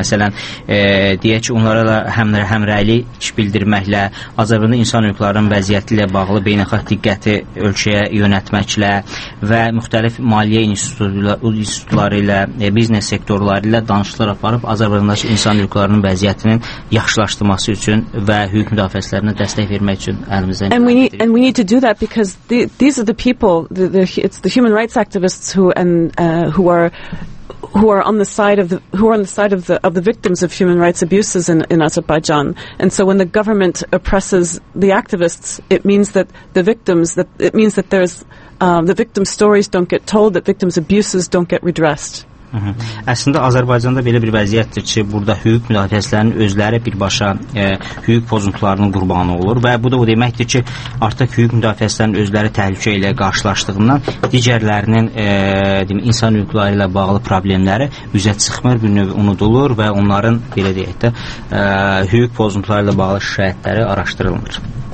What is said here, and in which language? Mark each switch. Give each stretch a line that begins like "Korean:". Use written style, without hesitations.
Azerbaijani: Məsələn, deyək ki, onlara da həmrəylik bildirməklə, Azərbaycanda insan hüquqlarının vəziyyəti ilə bağlı beynəlxalq diqqəti ölkəyə yönəltməklə və müxtəlif maliyyə institutları ilə, biznes sektorları ilə danışıqlar aparıb Azərbaycandakı insan hüquqlarının vəziyyətinin yaxşılaşdırılması üçün və hüquq müdafiəçilərinə dəstək vermək üçün əlimizdən gəlir.
English: And we need to do that because these are the people, it's the human rights activists who are on the side of the victims of human rights abuses in Azerbaijan. And so when the government oppresses the activists, it means that there's the victim stories don't get told, that victims abuses don't get redressed.
Azerbaijani: Əslində Azərbaycanda belə bir vəziyyətdir ki, burada hüquq müdafiəçilərinin özləri birbaşa hüquq pozuntularının qurbanı olur və bu da o deməkdir ki, artıq hüquq müdafiəçilərinin özləri təhlükə ilə qarşılaşdığından digərlərinin insan hüquqları ilə bağlı problemləri üzə çıxmır, bir növ unudulur və onların belə deyək də hüquq pozuntuları ilə bağlı şikayətləri araşdırılmır.